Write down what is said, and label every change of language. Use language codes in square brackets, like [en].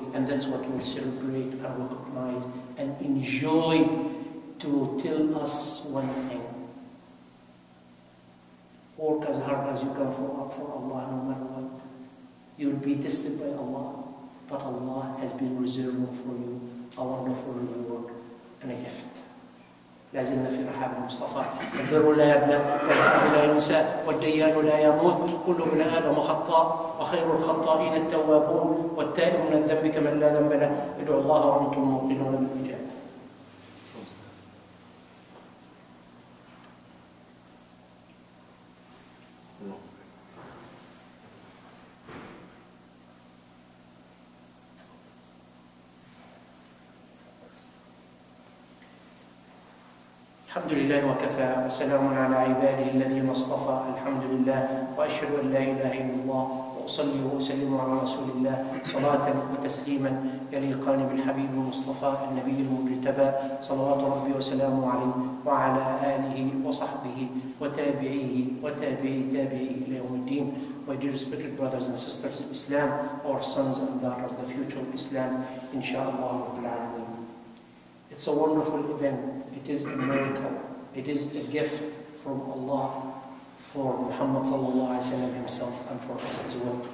[en] And that's what we celebrate and recognize and enjoy to tell us one thing. Work as hard as you can for Allah no matter what. You'll be tested by Allah. But Allah has been reserving for you a wonderful reward and a gift. [ar] لازلنا في رحاب المصطفى البر لا يبلى والحب لا ينسى والديان لا يموت كل ابن ادم خطاء وخير الخطائين التوابون والتائب من الذنب كمن لا ذنب له ادعوا الله وانتم موقنون بالاجابه الحمد لله وكفى وسلام على عباده الذين اصطفى الحمد لله واشهد ان لا اله الا الله واصلي واسلم على رسول الله صلاه وتسليما يليقان بالحبيب المصطفى النبي المجتبى صلوات ربي وسلامه عليه وعلى اله وصحبه وتابعيه وتابعي تابعيه الى يوم الدين. [en] My dear respected brothers and sisters in Islam, our sons and daughters, the future of Islam, inshallah [ar] رب العالمين. [en] It's a wonderful event. It is a miracle. It is a gift from Allah for Muhammad sallallahu alayhi wa sallam himself and for us as well.